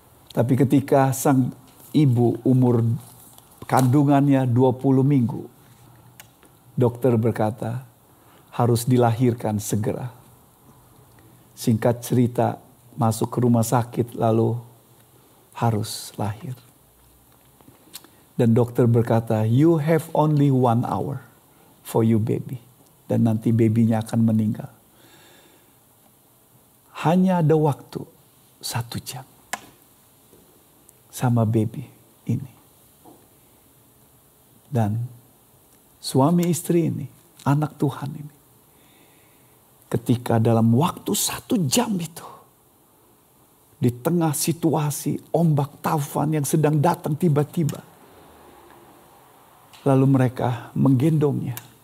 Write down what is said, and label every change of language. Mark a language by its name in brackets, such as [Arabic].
[Indonesian] Tapi ketika sang ibu umur kandungannya 20 minggu. Dokter berkata harus dilahirkan segera. Singkat cerita masuk ke rumah sakit lalu harus lahir. Dan dokter berkata [English] you have only one hour for your baby. [Indonesian] Dan nanti babynya akan meninggal. Hanya ada waktu satu jam sama baby ini. Dan suami istri ini, anak Tuhan ini, ketika dalam waktu satu jam itu, di tengah situasi ombak taufan yang sedang datang tiba-tiba, lalu mereka menggendongnya.